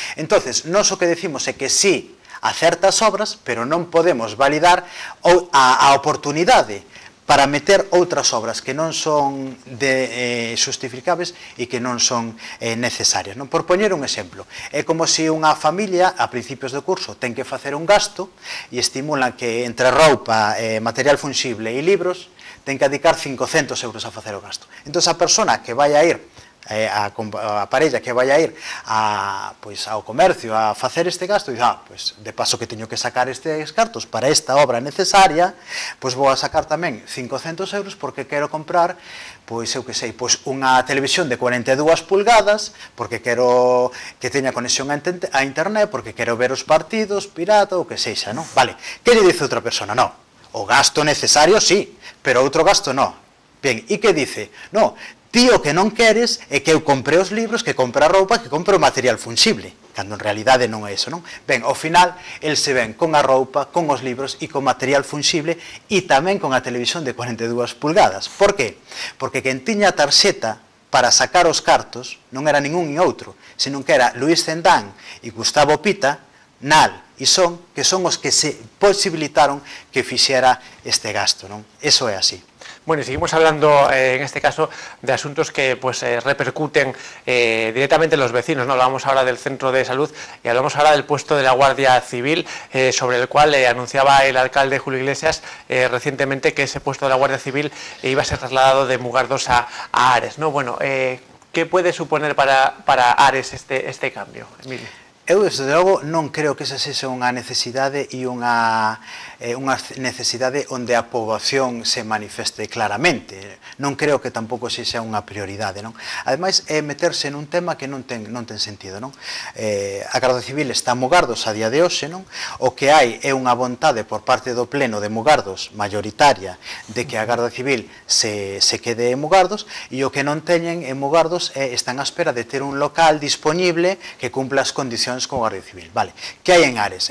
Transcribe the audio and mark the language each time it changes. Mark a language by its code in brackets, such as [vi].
[es] Entonces, no lo que decimos es que sí a ciertas obras, pero no podemos validar a oportunidades para meter otras obras que no son justificables y que no son necesarias, ¿no? Por poner un ejemplo, es como si una familia a principios de curso tiene que hacer un gasto y estimula que entre ropa, material fungible y libros, tenga que dedicar 500 euros a hacer el gasto. Entonces, a persona que vaya a ir [gl] a parella [es] que vaya a ir [gl] a, pues, ao comercio a facer este gasto, e dice, ah, pues, de paso que teño que sacar estes cartos para esta obra necesaria, pues vou a sacar tamén 500 euros porque quero comprar, pois, eu que sei, pois, unha televisión de 42 pulgadas, porque quero que teña conexión a internet, porque quero ver os partidos, pirata, ou que seixa, non? Vale, que lle dice outra persona? No, o gasto necesario, sí, pero outro gasto, no. Bien, e que dice? No, ti o que non queres é que eu compre os libros, que compre a roupa, que compre o material fungible, cando en realidade non é eso, non? Ben, ao final, el se ven con a roupa, con os libros e con material fungible e tamén con a televisión de 42 pulgadas. Por qué? Porque quen tiña a tarxeta para sacar os cartos non era ningún e outro, senón que era Luis Zendán e Gustavo Pita, Nal e Son, que son os que se posibilitaron que fixera este gasto, non? Eso é así. [es] Bueno, y seguimos hablando en este caso de asuntos que pues repercuten directamente en los vecinos, ¿no? Hablamos ahora del centro de salud y hablamos ahora del puesto de la Guardia Civil, sobre el cual anunciaba el alcalde Julio Iglesias recientemente que ese puesto de la Guardia Civil iba a ser trasladado de Mugardos a Ares, ¿no? Bueno, ¿qué puede suponer para Ares este cambio, Emilio? [gl] Eu, desde logo, non creo que esa sexa unha necesidade e unha necesidade onde a poboación se manifeste claramente. Non creo que tampouco sexa unha prioridade, non? Ademais, é meterse nun tema que non ten sentido, non? A Guardia Civil está a Mugardos a día de hoxe, non? O que hai é unha vontade por parte do Pleno de Mugardos, mayoritaria, de que a Guardia Civil se quede en Mugardos, e o que non teñen en Mugardos é están á espera de ter un local disponible que cumpla as condicións con Guardia Civil. Vale. Que hai en Ares?